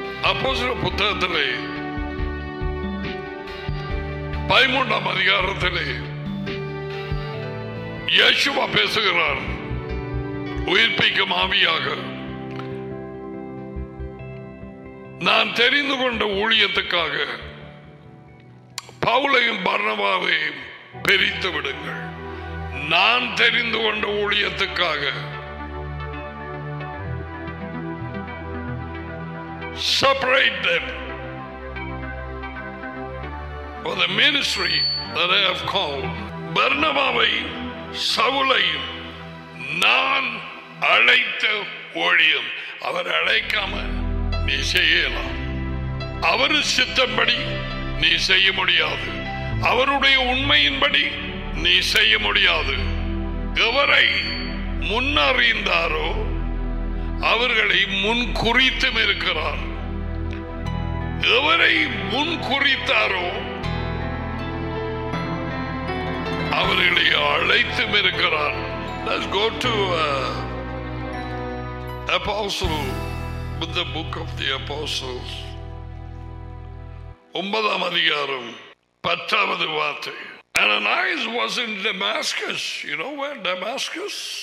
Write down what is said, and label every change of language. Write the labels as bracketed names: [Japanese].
[Tamil] அப்போஸ்தல புத்தகத்திலே 13 அதிகாரத்திலே யேசுவா பேசுகிறார், உயிர்ப்பிக்கும் ஆவியாக நான் தெரிந்து கொண்ட ஊழியத்துக்காக பவுலையும் பர்னபாவையும் பிரித்து விடுங்கள். நான் தெரிந்து கொண்ட ஊழியத்துக்காக [English] separate them for the ministry that I have called. [Tamil] பர்னபாவையும் சவுலையும் நான் அழைத்த ஊழியம் அவர் அழைக்காம நீ செய்யலாம். அவர் சித்தப்படி நீ செய்ய முடியாது. அவருடைய உண்மையின்படி நீ செய்ய முடியாது. எவரை முன்னறிந்தாரோ அவர்களை முன்குறித்தும் இருக்கிறார். எவரை முன்குறித்தாரோ அவர்களை அழைத்தும் இருக்கிறார். [English] Let's go to Apostle, with the book of the Apostles. 9 [Tamil] அதிகாரம் 10 வார்த்தை. [English] Ananias was in Damascus. You know where Damascus?